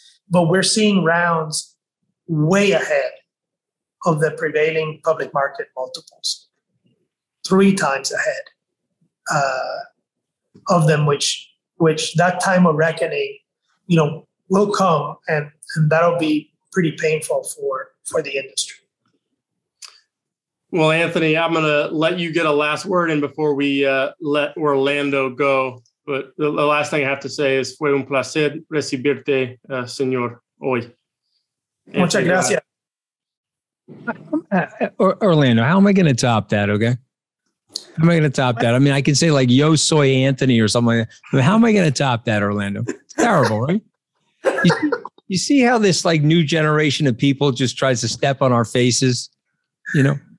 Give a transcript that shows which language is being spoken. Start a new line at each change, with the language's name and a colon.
English: But we're seeing rounds way ahead of the prevailing public market multiples, 3 times ahead of them, which that time of reckoning, you know, will come, and that'll be pretty painful for the industry. Well, Anthony, I'm going to let you get a last word in before we let Orlando go. But the last thing I have to say is, fue un placer recibirte, señor, hoy.
Spanish: Muchas gracias.
English: Orlando, how am I going to top that? Okay. How am I going to top that? I mean, I can say like, yo soy Anthony or something like that. But how am I going to top that, Orlando? Terrible, right? You see how this like new generation of people just tries to step on our faces, you know?